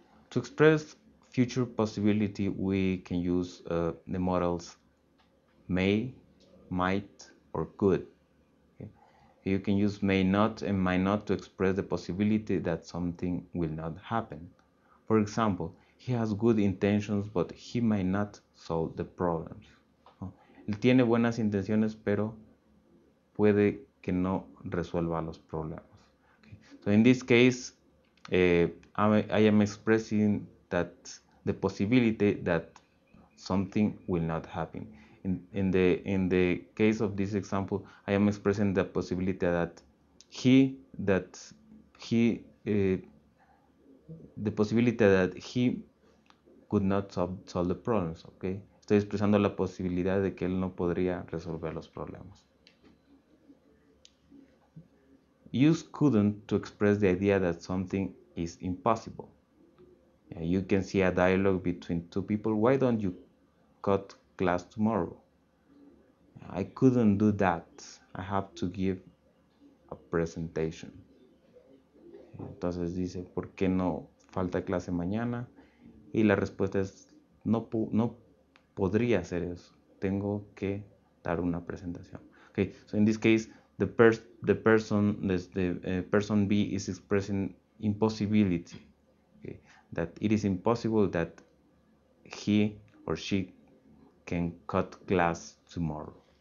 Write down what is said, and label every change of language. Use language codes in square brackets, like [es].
[en] To express future possibility, we can use the models may, might, or could. Okay. You can use may not and might not to express the possibility that something will not happen. For example, he has good intentions, but he might not solve the problems. [es] Él tiene buenas intenciones, pero puede que no resuelva los problemas. Okay. [en] So in this case, I am expressing that the possibility that something will not happen. In the case of this example, I am expressing the possibility that the possibility that he could not solve the problems, okay? [es] Estoy expresando la posibilidad de que él no podría resolver los problemas. [en] Use couldn't to express the idea that something is impossible. You can see a dialogue between two people. Why don't you cut class tomorrow? I couldn't do that. I have to give a presentation. [es] Entonces dice, ¿por qué no falta clase mañana? Y la respuesta es, no podría hacer eso. Tengo que dar una presentación. [en] Okay, so in this case, the person B is expressing impossibility. Okay, that it is impossible that he or she can cut class tomorrow.